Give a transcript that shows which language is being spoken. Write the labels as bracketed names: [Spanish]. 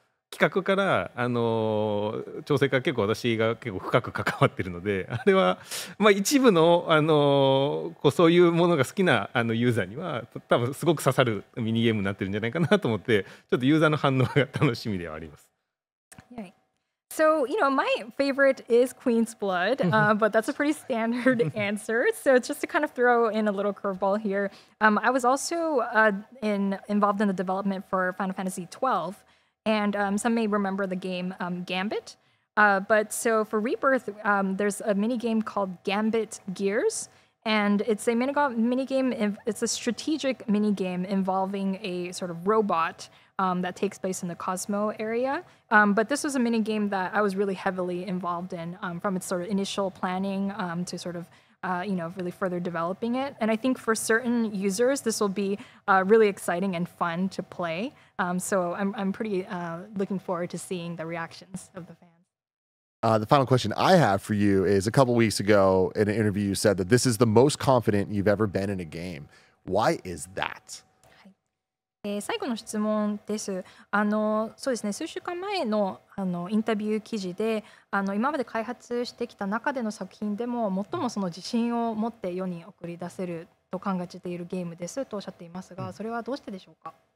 [Japanese] 企画から、調整から結構私が結構深く関わってるのであれは、まあ、一部の、こうそういうものが好きなあのユーザーには多分すごく刺さるミニゲームになってるんじゃないかなと思ってちょっとユーザーの反応が楽しみではあります。 [English] So, you know, my favorite is Queen's Blood, but that's a pretty standard answer. So just to kind of throw in a little curveball here, I was also involved in the development for Final Fantasy XII. And some may remember the game Gambit. But so for Rebirth, there's a mini game called Gambit Gears. And it's a mini game, it's a strategic mini game involving a sort of robot that takes place in the Cosmo area. But this was a mini game that I was really heavily involved in from its sort of initial planning to sort of, you know, really further developing it. And I think for certain users, this will be really exciting and fun to play. So I'm pretty looking forward to seeing the reactions of the fans. The final question I have for you is a couple weeks ago in an interview you said that this is the most confident you've ever been in a game. Why is that? [Japanese] 最後の質問です。そうですね、数週間前 のインタビュー記事で今まで開発してきた中での作品でも最もその自信を持って世に送り出せると考えているゲームですとおっしゃっていますが、それはどうしてでしょうか。